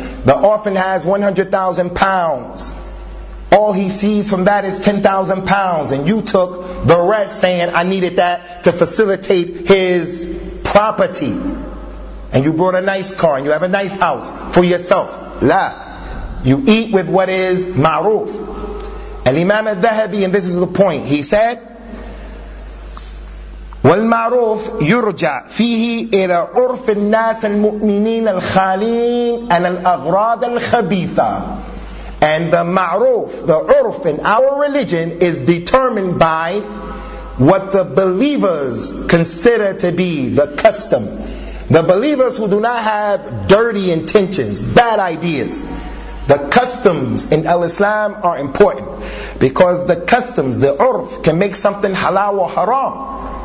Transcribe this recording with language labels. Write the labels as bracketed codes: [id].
[en] The orphan has 100,000 pounds. All he sees from that is 10,000 pounds. And you took the rest saying, I needed that to facilitate his property. And you brought a nice car and you have a nice house for yourself. La. You eat with what is ma'ruf. And Imam al-Dhahabi, and this is the point, he said, [ar] والمعروف يرجع فيه إلى عرف الناس المؤمنين الخالين عن الأغراض الخبيثة. [en] And the ma'ruf, the urf in our religion is determined by what the believers consider to be the custom. The believers who do not have dirty intentions, bad ideas. The customs in al-Islam are important. Because the customs, the urf, can make something halal or haram.